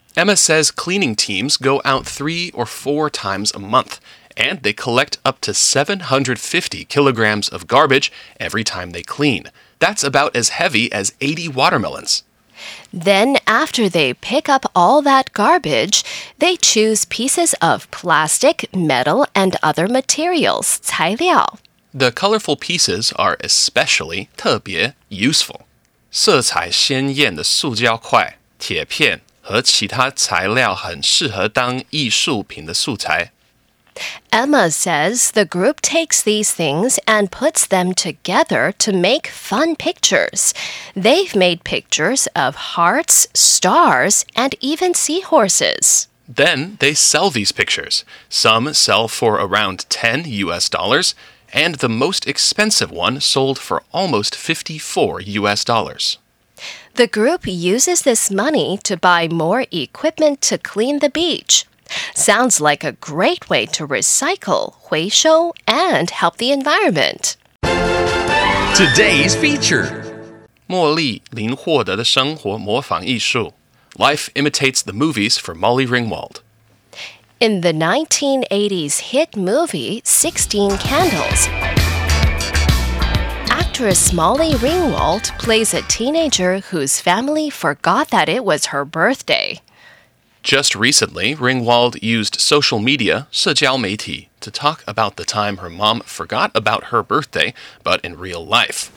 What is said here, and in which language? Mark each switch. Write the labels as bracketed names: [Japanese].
[English] Emma says cleaning teams go out 3 or 4 times a month,And they collect up to 750 kilograms of garbage every time they clean. That's about as heavy as 80 watermelons. Then after they pick up all that garbage, they choose pieces of plastic, metal, and other materials, [Chinese] 材料. [English] The colorful pieces are especially [Chinese] 特别 [English] useful. [Chinese] 色彩鲜艳的塑胶块、铁片和其他材料很适合当艺术品的素材。 [English] Emma says the group takes these things and puts them together to make fun pictures. They've made pictures of hearts, stars, and even seahorses. Then they sell these pictures. Some sell for around $10, and the most expensive one sold for almost $54. The group uses this money to buy more equipment to clean the beach. Sounds like a great way to recycle, [Chinese] 回收, [English] and help the environment. Today's feature. [Chinese] 茉莉林获得的生活模仿艺术. [English] Life imitates the movies for Molly Ringwald. In the 1980s hit movie 16 Candles, actress Molly Ringwald plays a teenager whose family forgot that it was her birthday. Just recently, Ringwald used social media, [Chinese] 社交媒体, [English] to talk about the time her mom forgot about her birthday, but in real life.